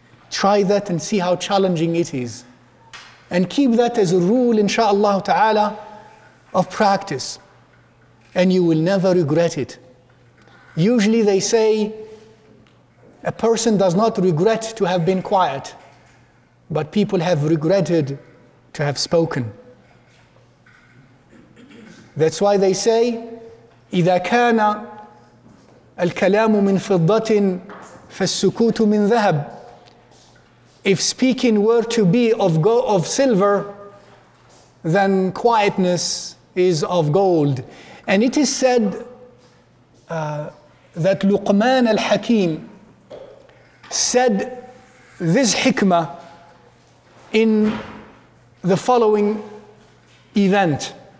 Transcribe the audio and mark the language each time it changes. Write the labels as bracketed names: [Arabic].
[English] Try that and see how challenging it is. And keep that as a rule, inshaAllah ta'ala, of practice. And you will never regret it. Usually they say, a person does not regret to have been quiet, but people have regretted to have spoken. That's why they say, [Arabic] إِذَا كَانَ الْكَلَامُ مِنْ فِضَّةٍ فَالسُّكُوتُ مِنْ ذَهَبٍ. [English] If speaking were to be of gold, of silver, then quietness is of gold. And it is said that Luqman al-Hakim said this hikmah in the following event.